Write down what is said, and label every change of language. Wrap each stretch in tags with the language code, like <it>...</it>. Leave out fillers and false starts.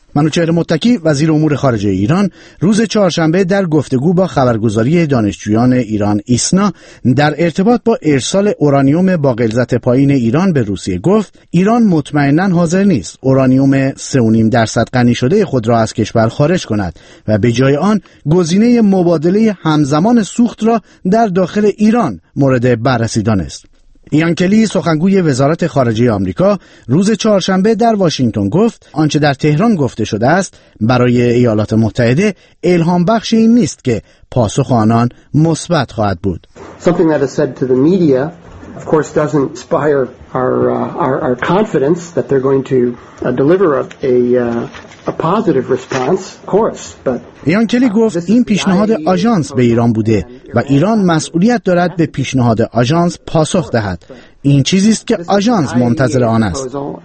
<fa>منوچهر متکی وزیر امور خارجه ایران روز چهارشنبه در گفتگو با خبرگزاری دانشجویان ایران ایسنا در ارتباط با ارسال اورانیوم با غلظت پایین ایران به روسیه گفت ایران مطمئناً حاضر نیست اورانیوم 3.5% غنی شده خود را از کشور خارج کند و به جای آن گزینه مبادله همزمان سوخت را در داخل ایران مورد بررسی دانست. ایان کلی سخنگوی وزارت خارجه آمریکا روز چهارشنبه در واشنگتن گفت آنچه در تهران گفته شده است برای ایالات متحده الهام بخش این نیست که پاسخ آنان مثبت خواهد بود.</fa> <en>Something that is said to the media of course doesn't inspire our confidence that they're going to deliver a positive response, of course, but</en> <fa>ایان کلی گفت این پیشنهاد آژانس به ایران بوده و ایران مسئولیت دارد به پیشنهاد آژانس پاسخ دهد. این چیزی است که آژانس منتظر آن است.</fa>